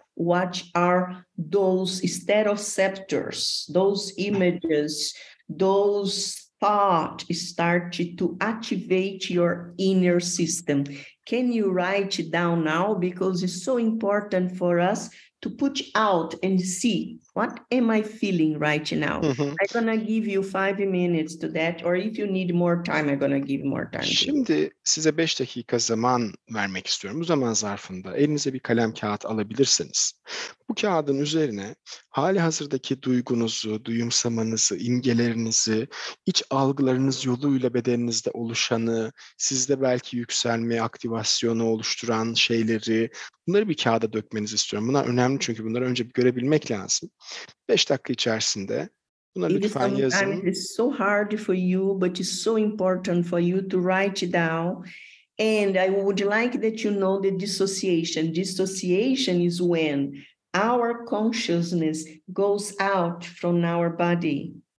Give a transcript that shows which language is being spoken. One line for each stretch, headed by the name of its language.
English: What are those steroceptors, those images, those thoughts start to activate your inner system? Can you write it down now? Because it's so important for us to put out and see, what am I feeling right now? I'm going to give you 5 minutes to that. Or if you need more time, I'm going to give more time.
Turkish: Şimdi size 5 dakika zaman vermek istiyorum. Bu zaman zarfında elinize bir kalem kağıt alabilirsiniz. Bu kağıdın üzerine hali hazırdaki duygunuzu, duyumsamanızı, imgelerinizi, iç algılarınız yoluyla bedeninizde oluşanı, sizde belki yükselme, aktivasyonu oluşturan şeyleri, bunları bir kağıda dökmenizi istiyorum. Bunlar önemli çünkü bunları önce bir görebilmek lazım. 5 dakika içerisinde buna lütfen yazın.
English: It's so hard for you, but it's so important for you to write it down. And I would like that you know the dissociation. Dissociation is when our consciousness goes out from our body.